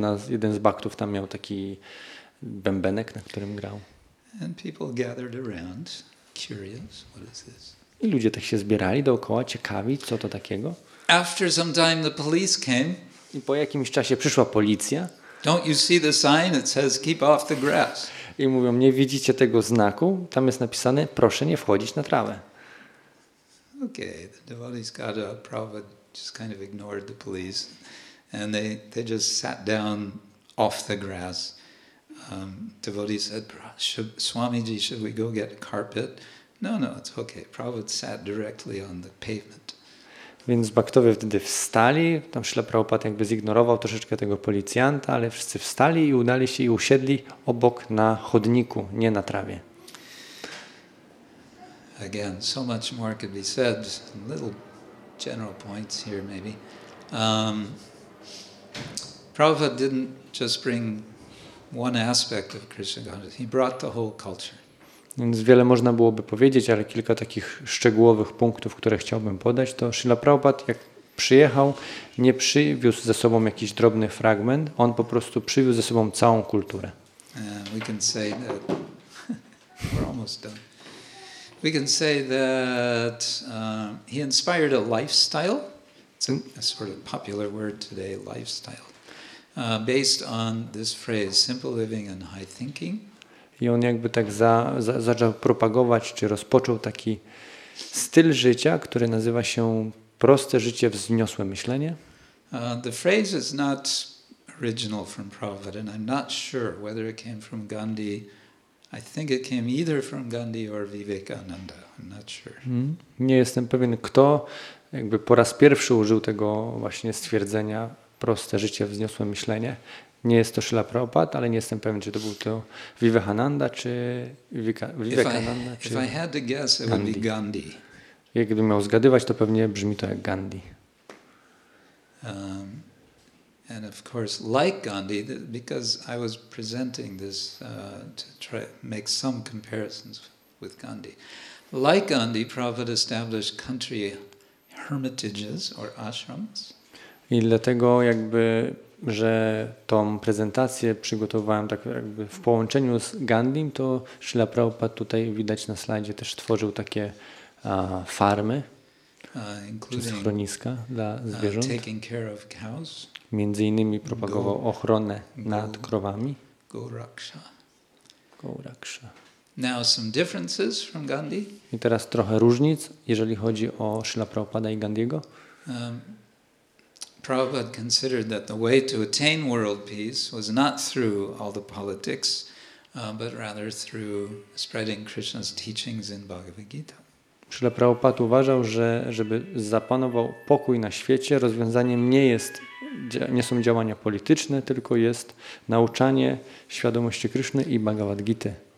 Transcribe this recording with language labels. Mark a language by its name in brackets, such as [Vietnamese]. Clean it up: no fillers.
[Polish] Jeden z baktów tam miał taki bębenek, na którym grał. [English] And people gathered around, curious, what is this? [Polish] I ludzie tak się zbierali dookoła, ciekawi, co to takiego. [English] After some time the police came. [Polish] I po jakimś czasie przyszła policja. [English] Don't you see the sign? It says keep off the grass. [Polish] I mówią, nie widzicie tego znaku? Tam jest napisane, proszę nie wchodzić na trawę. [English] Okay, the devotees got up, Prabhupada just kind of ignored the police, and they just sat down off the grass. Devotees said, Swamiji, should we go get a carpet? No, it's okay. Prabhupada sat directly on the pavement. [Polish] Więc baktowie wtedy wstali, tam Śrīla Prabhupāda jakby zignorował troszeczkę tego policjanta, ale wszyscy wstali i udali się i usiedli obok na chodniku, nie na trawie. [English] Again, so much more could be said. Little general points here, maybe. Prabhupada didn't just bring one aspect of Krishna consciousness. He brought the whole culture. [Polish] Więc wiele można byłoby powiedzieć, ale kilka takich szczegółowych punktów, które chciałbym podać, to Śrīla Prabhupada, jak przyjechał, nie przywiózł ze sobą jakiś drobny fragment. On po prostu przywiózł ze sobą całą kulturę. [English] We can say that we're almost done. We can say that he inspired a lifestyle. a sort of popular word today, lifestyle, based on this phrase, simple living and high thinking. [Polish] I on jakby tak zaczął propagować, czy rozpoczął taki styl życia, który nazywa się proste życie, wzniosłe myślenie. [English] The phrase is not original from Prabhupada, and I'm not sure whether it came from Gandhi. I think it came either from Gandhi or Vivekananda. I'm not sure. [Polish] Nie jestem pewien, kto jakby po raz pierwszy użył tego właśnie stwierdzenia proste życie, wzniosłe myślenie. Nie jest to Śrila Prabhupada, ale nie jestem pewien, czy to był to Vivekananda, czy Vivekananda, czy Gandhi. [English] If I had to guess, it would be Gandhi. [Polish] Jakbym miał zgadywać, to pewnie brzmi to jak Gandhi. [English] And of course, like Gandhi, because I was presenting this to try make some comparisons with Gandhi. Like Gandhi, Prabhupada established country hermitages or ashrams. [Polish] I dlatego jakby, że tą prezentację przygotowałem tak jakby w połączeniu z Gandhim, to Śrila Prabhupada tutaj widać na slajdzie też tworzył takie farmy, [English] including [Polish] schroniska dla zwierząt. [English] Taking care of cows. [Polish] Między innymi propagował ochronę nad krowami. [Sanskrit] Gauraksha. Gauraksha. [English] Now some differences from Gandhi. [Polish] I teraz trochę różnic, jeżeli chodzi o Śrila Prabhupada i Gandhiego. [English] Prabhupada considered that the way to attain world peace was not through all the politics, but rather through spreading Krishna's teachings in Bhagavad Gita. [Polish] Śrila Prabhupada uważał, że żeby zapanował pokój na świecie, rozwiązaniem nie są działania polityczne, tylko jest nauczanie świadomości Kryszny i Bhagavad Gity.